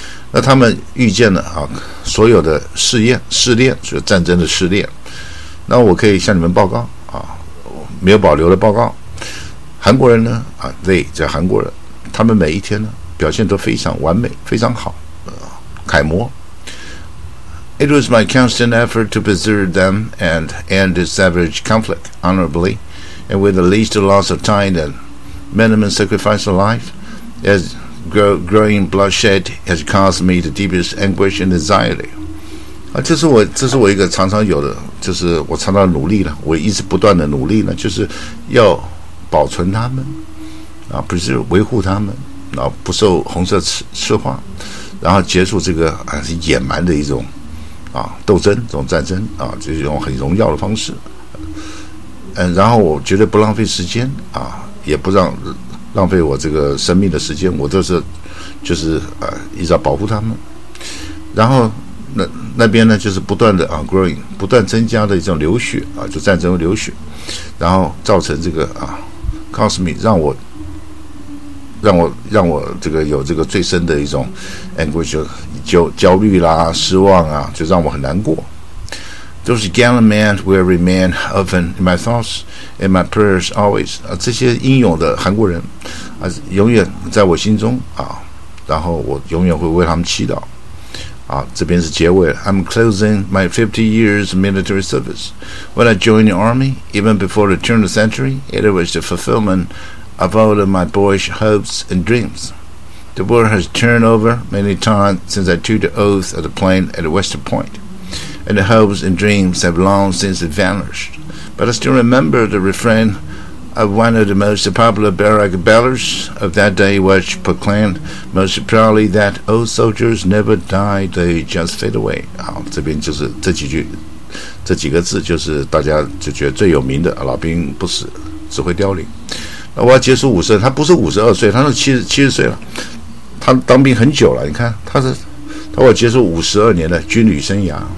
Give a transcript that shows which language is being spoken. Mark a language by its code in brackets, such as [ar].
[zh] 那他们遇见了啊，所有的试炼，就是战争的试炼。那我可以向你们报告啊，没有保留的报告。韩国人呢啊 they 这韩国人，他们每一天呢表现都非常完美，非常好，楷模。 [en] It was my constant effort to preserve them and end this savage conflict honorably and with the least loss of time and minimum sacrifice of life, as growing bloodshed has caused me the deepest anguish and anxiety. [zh] 啊，这是我一个常常有的，就是我常常努力了，我一直不断的努力呢，就是要保存他们，啊，不是维护他们，然后不受红色赤化，然后结束这个啊野蛮的一种。啊，斗争这种战争啊，这种很荣耀的方式。嗯，然后我绝对不浪费时间啊，也不让浪费我这个生命的时间，我都是就是一直要保护他们。然后那边呢，就是不断的啊 growing， 不断增加的一种流血啊，就战争流血，然后造成这个啊 cosmic 让我这个有这个最深的一种 anguish， 焦虑啦，失望啊，就让我很难过。 [en] Those gallant men will remain often in my thoughts and my prayers always。 [zh] 啊，这些英勇的韩国人啊，永远在我心中啊，然后我永远会为他们祈祷。啊，这边是结尾。 [en] I'm closing my 50 years military service. When I joined the army, even before the turn of the century, it was the fulfillment. Of all of my boyish hopes and dreams. The world has turned over many times since I took the oath of the plane at Western Point, and the hopes and dreams have long since vanished. But I still remember the refrain of one of the most popular barrack ballads of that day, which proclaimed most proudly that old soldiers never die, they just fade away. [zh] 好，这边就是这几个字就是大家就觉得最有名的，老兵不死，只会凋零。我要结束五十，他不是五十二岁，他是七十岁了。他当兵很久了，你看他我结束52年的军旅生涯。